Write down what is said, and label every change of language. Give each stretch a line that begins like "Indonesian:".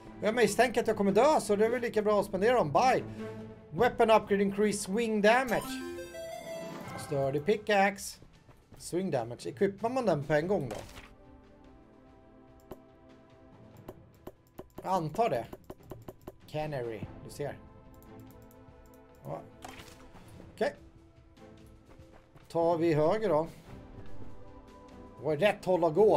Swedish: Jag misstänker att jag kommer dö, så det är väl lika bra att spendera dem.
English: Bye! Weapon upgrade increase swing damage. Dirty pickaxe. Swing damage.
Swedish: Equippar man den på en gång då? Jag antar det. Canary. Du ser. Ja. Okej. Okay. Tar vi höger då. Det var rätt håll att gå.